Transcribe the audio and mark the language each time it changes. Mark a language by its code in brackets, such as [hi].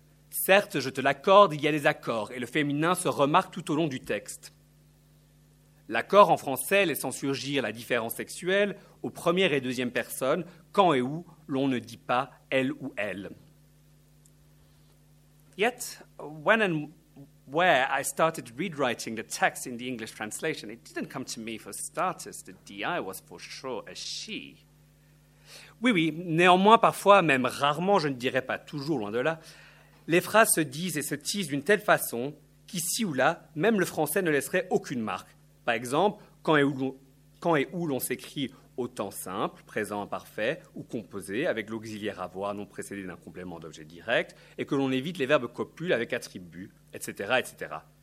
[fr] Certes, je te l'accorde, il y a les accords, et le féminin se remarque tout au long du texte. L'accord en français laissant surgir la différence sexuelle aux première et deuxième personnes, quand et où l'on ne dit pas elle ou elle. [en] Yet, when and... Where I started rewriting the text in the English translation, it didn't come to me for starters that D.I. was for sure a she. [fr] Oui, oui, néanmoins, parfois, même rarement, je ne dirais pas toujours, loin de là, les phrases se disent et se tissent d'une telle façon qu'ici ou là, même le français ne laisserait aucune marque. Par exemple, quand et où l'on s'écrit au temps simple, présent imparfait, ou composé, avec l'auxiliaire avoir non précédé d'un complément d'objet direct, et que l'on évite les verbes copules avec attributs, etc., etc.